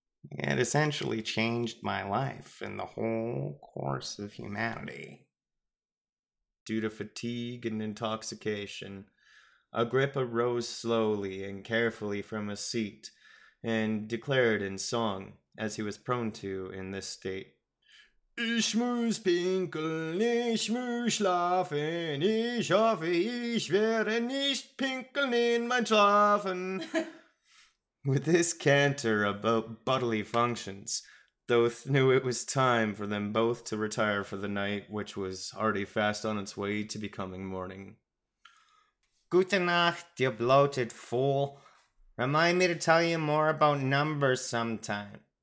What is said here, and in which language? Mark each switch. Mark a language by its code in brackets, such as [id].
[en] It essentially changed my life and the whole course of humanity. Due to fatigue and intoxication, Agrippa rose slowly and carefully from his seat and declared in song, as he was prone to in this state, [de] Ich muss pinkeln, ich muss schlafen, ich hoffe, ich werde nicht pinkeln in mein Schlafen. [en] With this canter about bodily functions, Thoth knew it was time for them both to retire for the night, which was already fast on its way to becoming morning. [de] Gute Nacht, [en] you bloated fool. Remind me to tell you more about numbers sometime.